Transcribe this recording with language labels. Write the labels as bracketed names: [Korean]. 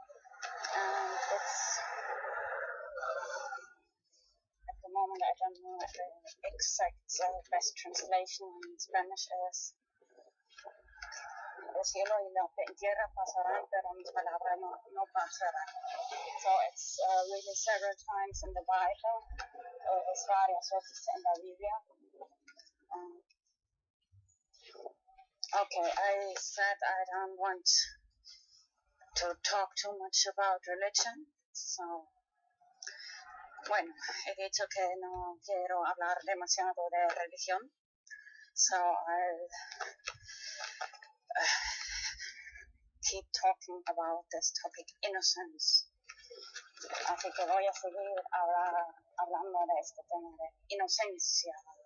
[English] And it's, at the moment, I don't know if the exact best translation in Spanish is. [Spanish] El cielo y la tierra pasarán, pero mis palabras no pasarán. [English] So it's really several times in the Bible. [Spanish] Es varias veces en la Biblia. [English] Okay, I said I don't want to talk too much about religion. [Spanish] So, bueno, he dicho que no quiero hablar demasiado de religión. [English] So I'll keep talking about this topic, innocence. [Spanish] Así que voy a seguir hablando de este tema de inocencia.